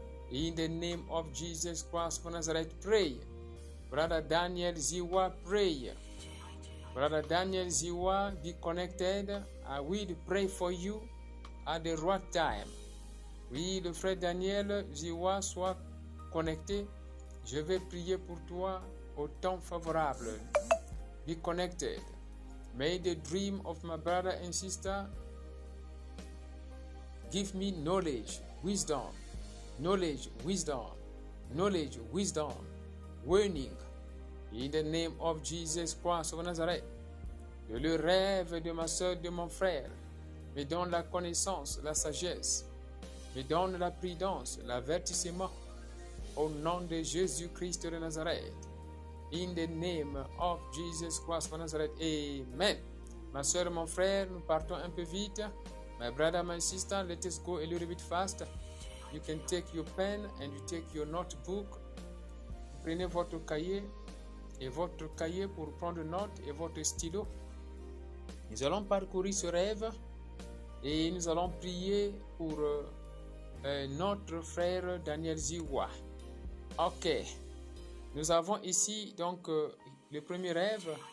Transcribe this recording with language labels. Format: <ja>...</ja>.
<en>In the name of Jesus Christ of Nazareth, pray. Brother Daniel Ziwa, pray. Brother Daniel Ziwa, be connected. I will pray for you at the right time.</en> <fr>Oui, le frère Daniel Ziwa, sois connecté. Je vais prier pour toi au temps favorable.</fr> <en>Be connected. May the dream of my brother and sister give me knowledge, wisdom. Knowledge, wisdom. Knowledge, wisdom. Warning. In the name of Jesus Christ of Nazareth.</en> <fr>Que le rêve de ma soeur, de mon frère, me donne la connaissance, la sagesse, me donne la prudence, l'avertissement. Au nom de Jésus-Christ de Nazareth.</fr> <en>In the name of Jesus Christ of Nazareth. Amen.</en> <fr>Ma soeur, mon frère, nous partons un peu vite.</fr> <en>My brother, my sister, let us go a little bit fast. You can take your pen and you take your notebook.</en> <fr>Prenez votre cahier et votre cahier pour prendre note et votre stylo. Nous allons parcourir ce rêve et nous allons prier pour notre frère Daniel Ziwa. Ok, nous avons ici donc le premier rêve.</fr>